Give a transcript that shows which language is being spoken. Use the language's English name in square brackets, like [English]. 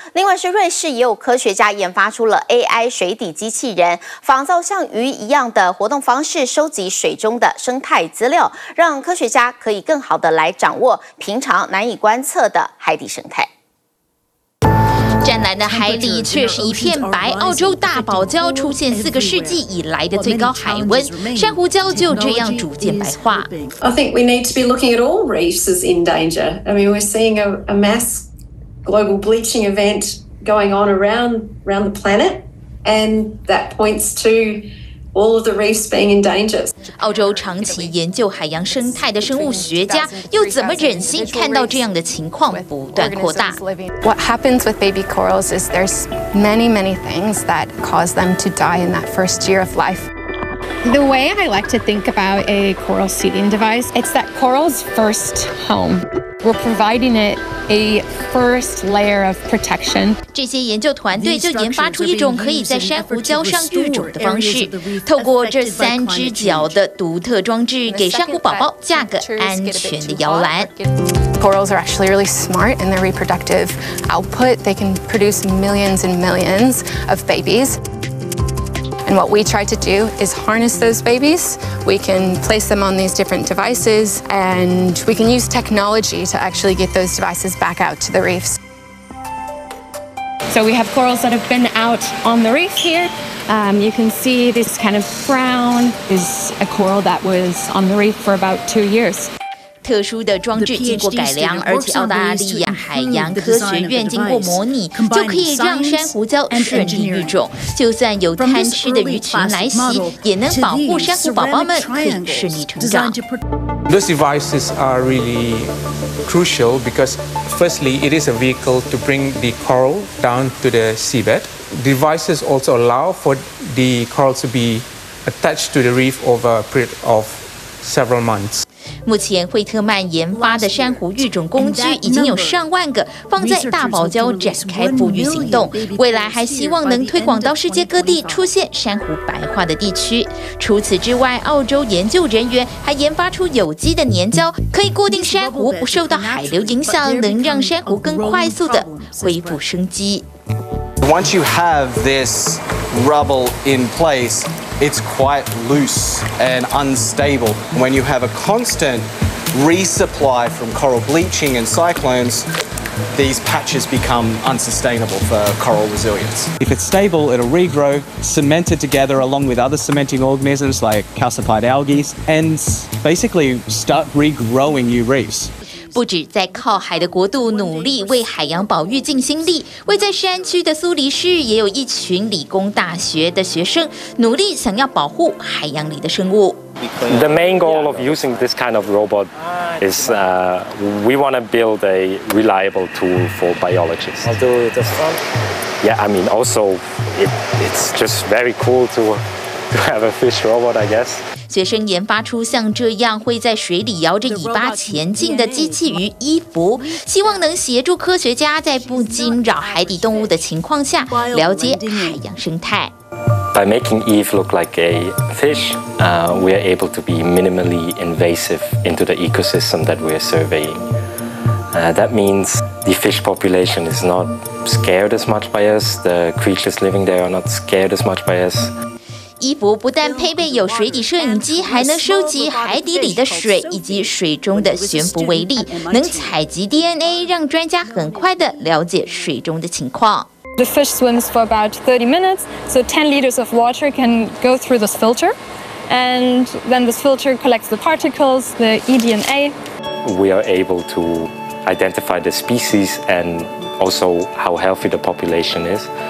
[Chinese] 另外是瑞士也有科学家研发出了 AI 水底机器人，仿造像鱼一样的活动方式，收集水中的生态资料，让科学家可以更好的来掌握平常难以观测的海底生态。湛蓝的海里却是一片白，澳洲大堡礁出现四个世纪以来的最高海温，珊瑚礁就这样逐渐白化。 [English] I think we need to be looking at all reefs as in danger. I mean, we're seeing a mass global bleaching event going on around the planet, and that points to all of the reefs being in danger. [Chinese] 澳洲长期研究海洋生态的生物学家又怎么忍心看到这样的情况不断扩大？ [English] What happens with baby corals is there's many, many things that cause them to die in that first year of life. The way I like to think about a coral seeding device, it's that coral's first home. We're providing it a first layer of protection. [Chinese] 这些研究团队就研发出一种可以在珊瑚礁上育种的方式，透过这三只脚的独特装置，给珊瑚宝宝架个安全的摇篮。 [English] Corals are actually really smart in their reproductive output. They can produce millions and millions of babies. And what we try to do is harness those babies. We can place them on these different devices, and we can use technology to actually get those devices back out to the reefs. So we have corals that have been out on the reef here. You can see this kind of brown is a coral that was on the reef for about 2 years. [Chinese] 特殊的装置经过改良，而且澳大利亚海洋科学院经过模拟，就可以让珊瑚礁顺利育种。就算有贪吃的鱼群来袭，也能保护珊瑚宝宝们可以顺利成长。 [English] These devices are really crucial because, firstly, it is a vehicle to bring the coral down to the seabed. Devices also allow for the coral to be attached to the reef over a period of several months. [Chinese] 目前惠特曼研发的珊瑚育种工具已经有上万个，放在大堡礁展开捕鱼行动，未来还希望能推广到世界各地，出现珊瑚白化的地区。除此之外，澳洲研究人员还研发出有机的粘胶，可以固定珊瑚不受到海流影响，能让珊瑚更快速地恢复生机。 [English] Once you have this rubble in place,It's quite loose and unstable. When you have a constant resupply from coral bleaching and cyclones, these patches become unsustainable for coral resilience. If it's stable, it'll regrow, cemented together along with other cementing organisms like calcified algae, and basically start regrowing new reefs. [Chinese] 不止在靠海的国度努力为海洋保育尽心力，位在山区的苏黎世也有一群理工大学的学生努力想要保护海洋里的生物。 [English] The main goal of using this kind of robot is we want to build a reliable tool for biologists. Yeah, I mean, also it's just very cool to have a fish robot, I guess. [Chinese] 学生研发出像这样会在水里摇着尾巴前进的机器鱼伊芙，希望能协助科学家在不惊扰海底动物的情况下了解海洋生态。 [English] By making Eve look like a fish, we are able to be minimally invasive into the ecosystem that we are surveying. That means the fish population is not scared as much by us. The creatures living there are not scared as much by us. [Chinese] 伊芙不但配备有水底摄影机，还能收集海底里的水以及水中的悬浮微粒，能采集 DNA， 让专家很快地了解水中的情况。 [English] The fish swims for about 30 minutes, so 10 liters of water can go through this filter, and then this filter collects the particles, the eDNA. We are able to identify the species and also how healthy the population is.